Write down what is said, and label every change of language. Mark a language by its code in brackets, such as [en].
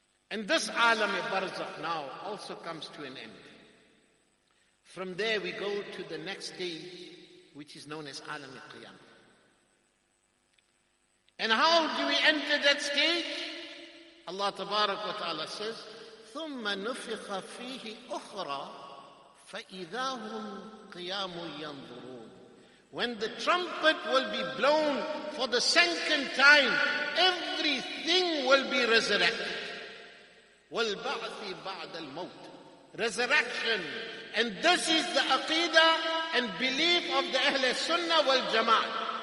[en] And this alam-e-barzakh now also comes to an end. From there we go to the next stage, which is known as alam-e-qiyam. And how do we enter that stage? [ar] Allah tabarak wa ta'ala says, ثُمَّ نُفِخَ فِيهِ أُخْرَى فَإِذَا هُمْ قِيَامٌ يَنْظُرُونَ. [en] When the trumpet will be blown for the second time, everything will be resurrected. [ar] وَالْبَعْثِ بَعْدَ الْمَوْتِ. Resurrection. [en] And this is the aqidah and belief of the Ahl Sunnah wal Jama'ah.